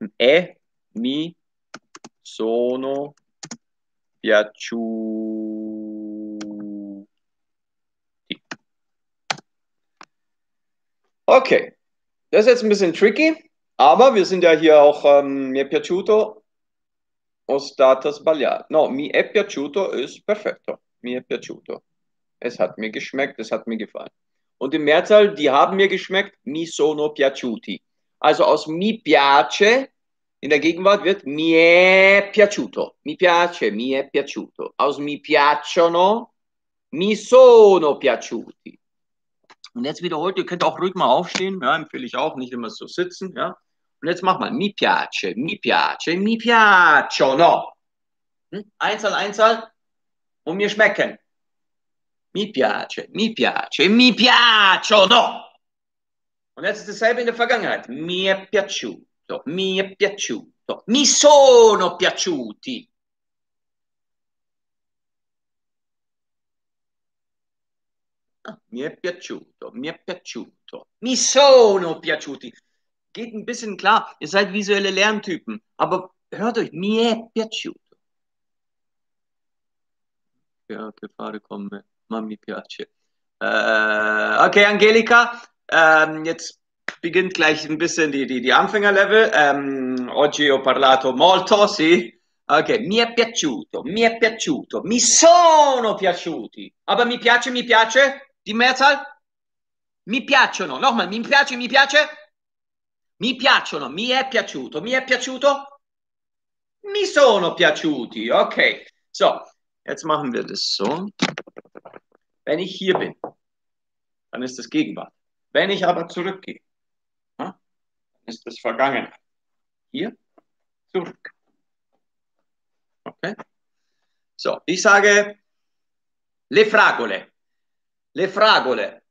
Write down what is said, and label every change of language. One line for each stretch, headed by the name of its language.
Italian: E mi sono piaciuti.
German: Okay, das ist jetzt ein bisschen tricky. Aber wir sind ja hier auch
Italian: mi è piaciuto. Ho stato sbagliato. No, mi è piaciuto ist perfetto. Mi è piaciuto.
German: Es hat mir geschmeckt, es hat mir gefallen. Und im Mehrzahl, die haben mir geschmeckt,
Italian: mi sono piaciuti.
German: Also aus
Italian: mi piace
German: in der Gegenwart wird
Italian: mi è piaciuto. Mi piace, mi è piaciuto. Aus mi piacciono, mi sono piaciuti.
German: Und jetzt wiederholt, ihr könnt auch ruhig mal aufstehen. Ja, empfehle ich auch, nicht immer so sitzen, ja. Und jetzt mach mal,
Italian: mi piace, mi piace, mi piacciono.
German: Einzahl, Einzahl und mir schmecken.
Italian: Mi piace, mi piace, mi piacciono.
German: Und jetzt ist dasselbe in der Vergangenheit.
Italian: Mi è piaciuto, mi è piaciuto, mi sono piaciuti. Mi è piaciuto, mi è piaciuto, mi sono piaciuti.
German: Geht ein bisschen klar, ihr seid visuelle Lerntypen, aber hört euch,
Italian: mi è piaciuto. Ja, che fare come, ma mi piace.
German: Okay, Angelika, jetzt beginnt gleich ein bisschen die Anfängerlevel.
Italian: Oggi ho parlato molto, sì. Okay, mi è piaciuto, mi è piaciuto, mi sono piaciuti.
German: Aber
Italian: mi piace,
German: die Mehrzahl?
Italian: Mi piacciono, nochmal, mi piace... Mi piacciono, mi è piaciuto, mi sono piaciuti, okay.
German: So, jetzt machen wir das so. Wenn ich hier bin, dann ist das Gegenwart. Wenn ich aber zurückgehe, ist das Vergangene. Hier, zurück. Okay. So, ich sage le fragole. Le fragole.